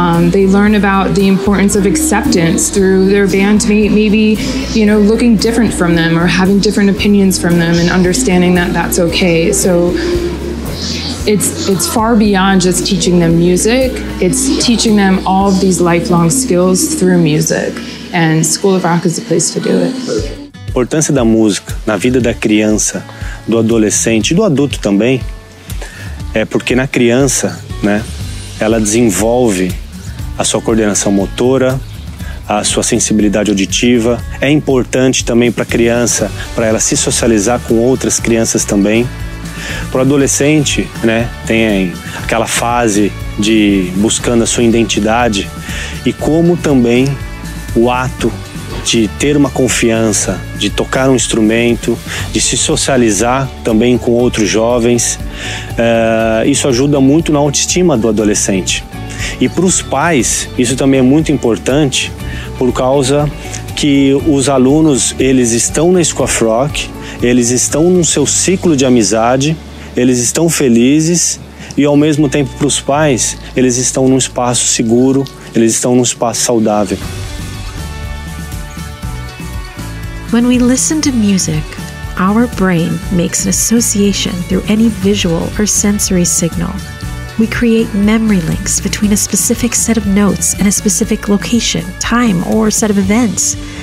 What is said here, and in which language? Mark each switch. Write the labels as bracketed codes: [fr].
[en] They learn about the importance of acceptance through their bandmate, maybe, you know, looking different from them or having different opinions from them and understanding that that's okay. So it's far beyond just teaching them music. It's teaching them all of these lifelong skills through music. And School of Rock is the place to do it. [pt] A importância da música na vida da criança, do adolescente e do adulto também, é porque na criança, né, ela desenvolve a sua coordenação motora, a sua sensibilidade auditiva. É importante também para a criança, para ela se socializar com outras crianças também. Para o adolescente, né, tem aquela fase de buscando a sua identidade. E como também o ato de ter uma confiança, de tocar um instrumento, de se socializar também com outros jovens, isso ajuda muito na autoestima do adolescente. E para os pais, isso também é muito importante, por causa que os alunos, eles estão na School of Rock, eles estão no seu ciclo de amizade, eles estão felizes, e ao mesmo tempo para os pais, eles estão num espaço seguro, eles estão num espaço saudável. [en] When we listen to music, our brain makes an association through any visual or sensory signal. We create memory links between a specific set of notes and a specific location, time, or set of events.